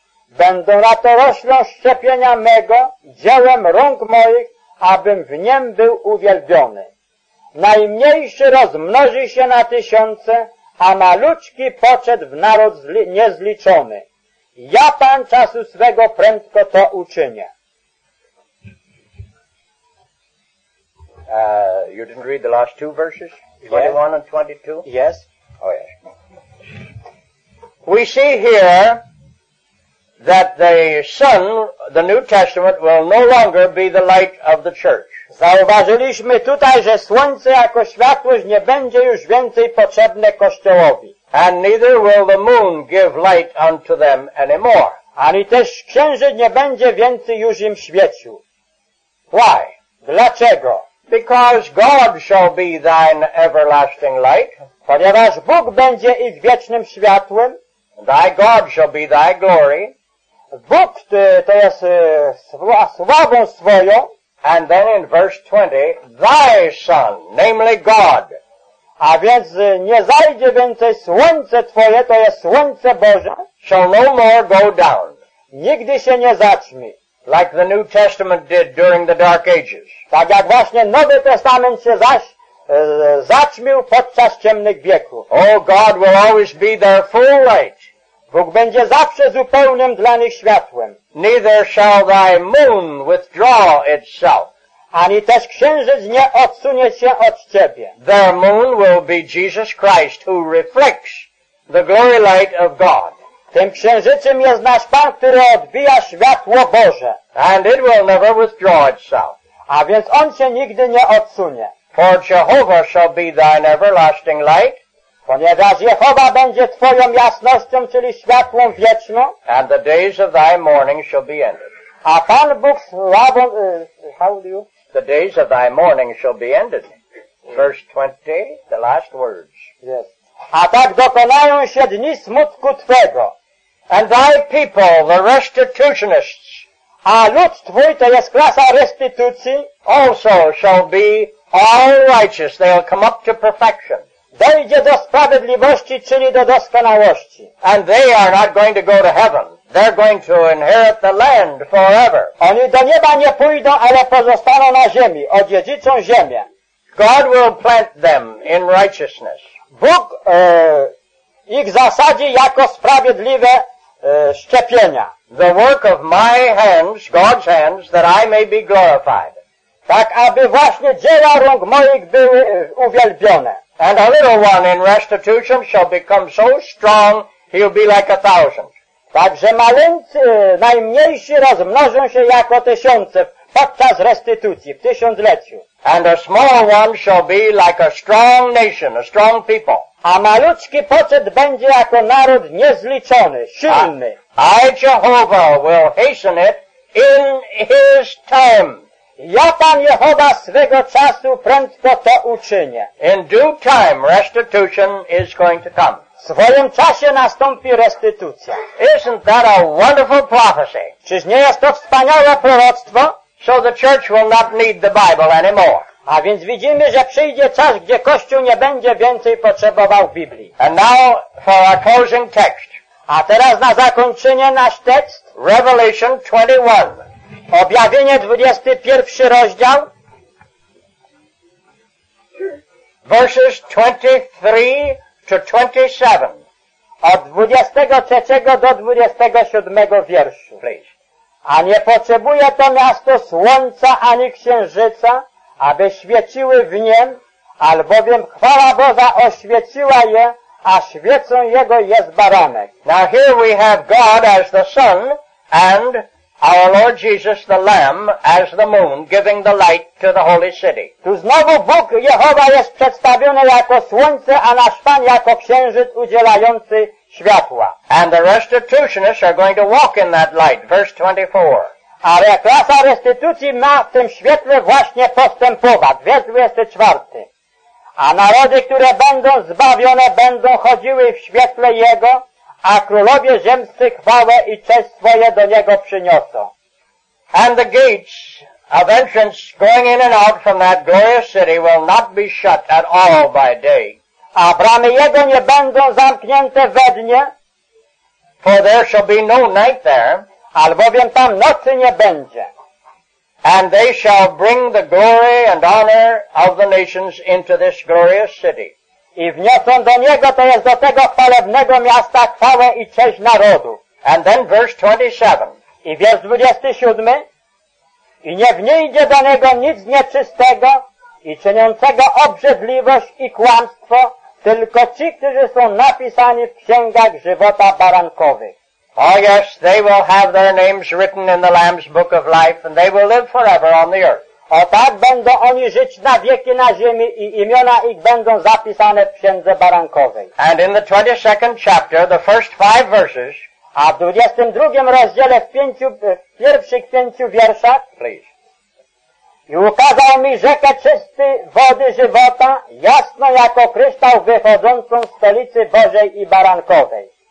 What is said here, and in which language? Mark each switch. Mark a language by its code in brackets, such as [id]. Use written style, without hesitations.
[pl] Będą na to roślą szczepienia mego, dziełem rąk moich, abym w niem był uwielbiony. Najmniejszy rozmnoży się na tysiące, a malutki poczet w naród niezliczony. Ja Pan czasu swego prędko to uczynię. [en] You didn't read the last two verses? 21 yes. And 22? Yes. Oh, yes. We see here that the sun, the New Testament, will no longer be the light of the church. [pl] Zauważyliśmy tutaj, że słońce jako światłość nie będzie już więcej potrzebne Kościołowi. [en] And neither will the moon give light unto them anymore. [pl] Ani też księżyc nie będzie więcej już im świecił. [en] Why? [pl] Dlaczego? [en] Because God shall be thine everlasting light. [pl] Ponieważ Bóg będzie ich wiecznym światłem. [en] Thy God shall be thy glory. [pl] Bóg to jest sławą swoją. [en] And then in verse 20, thy son, namely God. [pl] A więc nie zajdzie więcej słońce Twoje, to jest słońce Boże. [en] Shall no more go down. [pl] Nigdy się nie zaćmi. [en] Like the New Testament did during the Dark Ages. [pl] Tak jak właśnie Nowy Testament się zaćmił podczas ciemnych wieków. [en] Oh, God will always be their full light. [pl] Bóg będzie zawsze zupełnym dla nich światłem. [en] Neither shall thy moon withdraw itself. [pl] Ani też księżyc nie odsunie się od ciebie. [en] Their moon will be Jesus Christ, who reflects the glory light of God. [pl] Tym księżycem jest nasz Pan, który odbija światło Boże. [en] And it will never withdraw itself. [pl] A więc on się nigdy nie odsunie. [en] For Jehovah shall be thine everlasting light. [pl] Ponieważ Jehowa będzie Twoją jasnością, czyli światłą wieczną. [en] And the days of thy mourning shall be ended. Upon books, Robin, how do you? The days of thy mourning shall be ended. Verse 20, the last words. Yes. [pl] A tak dokonają się dni smutku twego. [en] And thy people, the restitutionists, [pl] a lud twój to jest klasa restytucji, [en] also shall be all righteous. They'll come up to perfection. [pl] Dojdzie do sprawiedliwości, czyli do doskonałości. [en] And they are not going to go to heaven. They're going to inherit the land forever. [pl] Oni do nieba nie pójdą, ale pozostaną na ziemi, odziedziczą ziemię. [en] God will plant them in righteousness. [pl] Bóg ich zasadzi jako sprawiedliwe szczepienia. [en] The work of my hands, God's hands, that I may be glorified. [pl] Tak, aby właśnie dzieła rąk moich były uwielbione. [en] And a little one in restitution shall become so strong, he'll be like a thousand. [pl] Także maleńcy, najmniejsi rozmnożą się jako tysiące podczas restytucji, w tysiącleciu. [en] And a small one shall be like a strong nation, a strong people. [pl] A malutki poczet będzie jako naród niezliczony, silny. [en] I Jehovah will hasten it in his time. [pl] Ja Pan Jehowa swego czasu prędko to uczynię. [en] In due time restitution is going to come. [pl] W swoim czasie nastąpi restytucja. [en] Isn't that a wonderful prophecy? [pl] Czyż nie jest to wspaniałe proroctwo? [en] So the church will not need the Bible anymore. [pl] A więc widzimy, że przyjdzie czas, gdzie Kościół nie będzie więcej potrzebował Biblii. [en] And now for our closing text. [pl] A teraz na zakończenie nasz tekst. [en] Revelation 21. [pl] Objawienie 21 rozdział. [en] Verses 23 to 27. [pl] Od 23 do 27 wierszu. [en] Please. [pl] A nie potrzebuje to miasto słońca ani księżyca, aby świeciły w niem, albowiem chwała Boża oświeciła je, a świecą jego jest baranek. [en] Now here we have God as the sun and our Lord Jesus the Lamb as the moon giving the light to the holy city. [pl] Tu znowu Bóg Jehowa jest przedstawiony jako słońce, a nasz Pan jako księżyc udzielający światła. [en] And the restitutionists are going to walk in that light. Verse 24. [pl] A klasa restytucji ma w tym świetle właśnie postępować. Wers 24. A narody, które będą zbawione, będą chodziły w świetle Jego, a królowie ziemscy chwałę i cześć swoje do Niego przyniosą. [en] And the gates of entrance going in and out from that glorious city will not be shut at all by day. [pl] A bramy Jego nie będą zamknięte we dnie, [en] for there shall be no night there, [pl] albowiem tam nocy nie będzie. [en] And they shall bring the glory and honor of the nations into this glorious city. [pl] I wniosą do Niego, to jest do tego chwalebnego miasta, chwałę i cześć narodu. [en] And then verse 27. [pl] I wiersz 27. I nie wnijdzie do Niego nic nieczystego i czyniącego obrzydliwość i kłamstwo, tylko ci, którzy są napisani w księgach żywota barankowych. [en] Oh yes, they will have their names written in the Lamb's Book of Life, and they will live forever on the earth. [pl] O tak, będą oni żyć na wieki na ziemi i imiona ich będą zapisane w księdze barankowej. [en] And in the 22nd chapter, the first five verses, [pl] a w 22 rozdziale w pierwszych pięciu wierszach, [en] please. [pl] I ukazał mi rzekę czystej wody żywota, jasno jako kryształ wychodzącą z stolicy Bożej i barankowej.